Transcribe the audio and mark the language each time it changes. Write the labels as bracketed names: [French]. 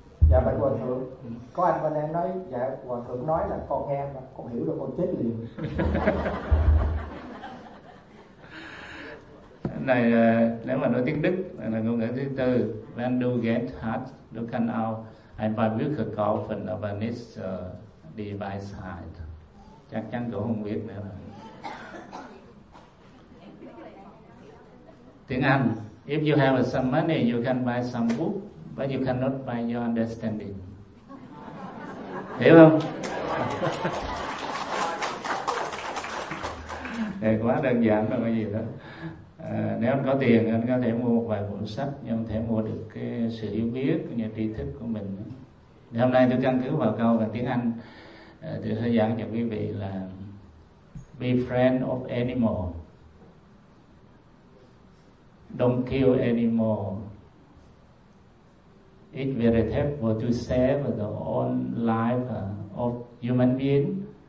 [Vietnamese] Dạ bạch hòa thượng, có anh bên em nói, dạ hòa thượng nói là con nghe mà con hiểu được con chết liền. Này nếu mà nói tiếng Đức là ngôn ngữ thứ tư, [German] wenn du gehst hat du kann auch ein paar Bücher kaufen, aber nicht die Weisheit. [Vietnamese] Chắc chắn cũng không biết nữa. Tiếng Anh, [English] if you have some money you can buy some book, but you cannot buy your understanding. [Vietnamese] Hiểu không? Thì quá đơn giản là cái gì đó. Nếu anh có tiền anh có thể mua một vài cuốn sách, nhưng không thể mua được cái sự hiểu biết cũng như tri thức của mình. Thì hôm nay tôi căn cứ vào câu bằng tiếng Anh, tôi hướng dẫn cho quý vị là [English] be friend of animal, don't kill animal. It's very terrible to save the own life of human being.